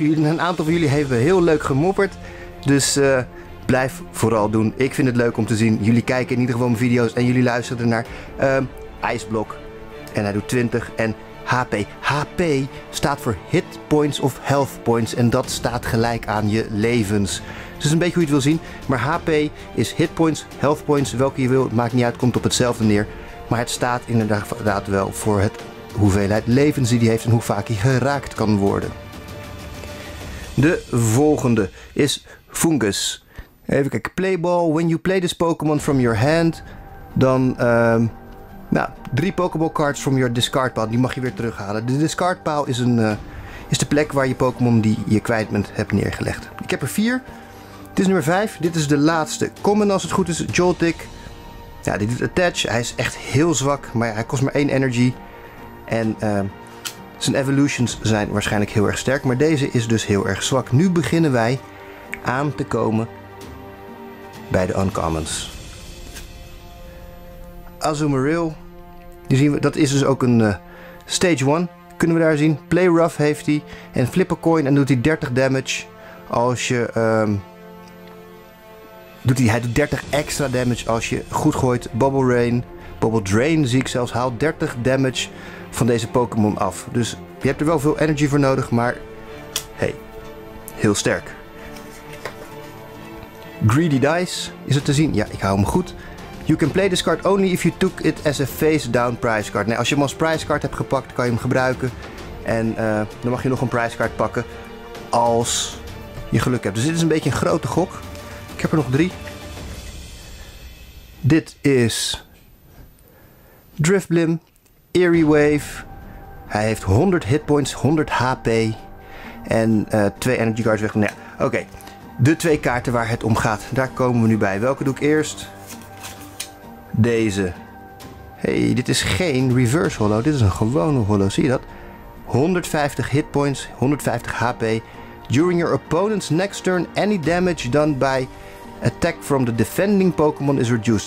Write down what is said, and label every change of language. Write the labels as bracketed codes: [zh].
[nl] Een aantal van jullie hebben heel leuk gemopperd. Dus blijf vooral doen. Ik vind het leuk om te zien. Jullie kijken in ieder geval mijn video's. En jullie luisteren naar IJsblok. En hij doet 20. En HP. HP staat voor hit points of health points. En dat staat gelijk aan je levens. Dus is een beetje hoe je het wil zien. Maar HP is hit points, health points. Welke je wil, maakt niet uit. Komt op hetzelfde neer. Maar het staat inderdaad wel voor het hoeveelheid levens die hij heeft. En hoe vaak hij geraakt kan worden. De volgende is Fungus. Even kijken. Playball. [en] When you play this Pokémon from your hand. [nl] Dan... [en] 3 Pokéball cards from your discard pile. [nl] Die mag je weer terughalen. De discard pile is, is de plek waar je Pokémon die je kwijt bent hebt neergelegd. Ik heb er 4. Dit is nummer 5. Dit is de laatste. Common als het goed is. Joltik. Ja, die doet attach. Hij is echt heel zwak. Maar ja, hij kost maar 1 energy. En zijn evolutions zijn waarschijnlijk heel erg sterk. Maar deze is dus heel erg zwak. Nu beginnen wij aan te komen bij de uncommons. Azumarill, die zien we, dat is dus ook een stage 1, kunnen we daar zien. Play Rough heeft hij en [en] flip a coin [nl] en doet hij 30 damage als je, hij doet 30 extra damage als je goed gooit. Bubble Drain zie ik zelfs, haalt 30 damage van deze Pokémon af. Dus je hebt er wel veel energy voor nodig, maar hey, heel sterk. Greedy Dice, is het te zien? Ja, ik hou hem goed. [en] You can play this card only if you took it as a face-down prize card. [nl] Nee, als je hem als prize card hebt gepakt, kan je hem gebruiken. En dan mag je nog een prize card pakken als je geluk hebt. Dus dit is een beetje een grote gok. Ik heb er nog 3. Dit is Drifblim, Eerie Wave. Hij heeft 100 hit points, 100 HP en 2 energy cards weg. Nee, oké, de 2 kaarten waar het om gaat, daar komen we nu bij. Welke doe ik eerst? Deze. Hey, dit is geen reverse holo. Dit is een gewone holo. Zie je dat? 150 hit points, 150 HP. [en] During your opponent's next turn, any damage done by attack from the defending Pokémon is reduced.